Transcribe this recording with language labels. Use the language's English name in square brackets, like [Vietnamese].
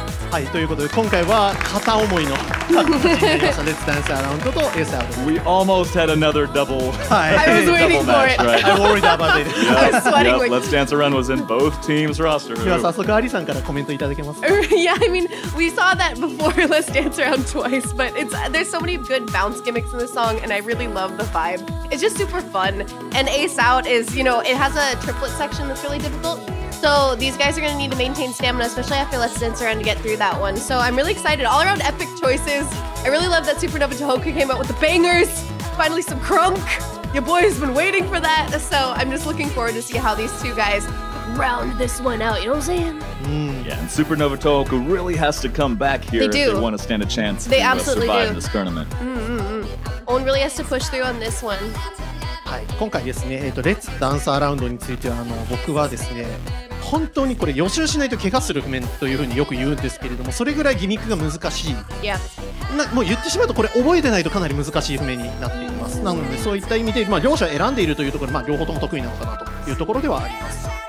[Japanese] はい、ということで今回は片思いのレッツダンスアラウンドとエースアウト。 [English] We almost had another double match. I was waiting for it. I worried about it. Yep, Let's Dance Around was in both teams' roster. [Japanese] 今日は早速アリさんからコメントいただけますか。 [English] Yeah, I mean, we saw that before Let's Dance Around twice, but it's, there's so many good bounce gimmicks in the song, and I really love the vibe. It's just super fun. And Ace Out is, you know, it has a triplet section that's really difficult. So these guys are going to need to maintain stamina, especially after Let's Dance Around, to get through that one. So I'm really excited. All around epic choices. I really love that Supernova Tohoku came out with the bangers. Finally some crunk. Your boy has been waiting for that. So I'm just looking forward to see how these two guys round this one out. You know what I'm saying? Yeah, and Supernova Tohoku really has to come back here they if they want to stand a chance. They absolutely survive do. Survive this tournament. Owen really has to push through on this one. [Japanese] はい、今回ですね、レッツダンスアラウンドについては、僕はですね、本当にこれ予習しないと怪我する面というふうによく言うんですけれども、それぐらいギミックが難しい、 [English] yeah. [Japanese] もう言ってしまうとこれ覚えてないとかなり難しい譜面になっています。なのでそういった意味で、両者選んでいるというところ、両方とも得意なのかなというところではあります。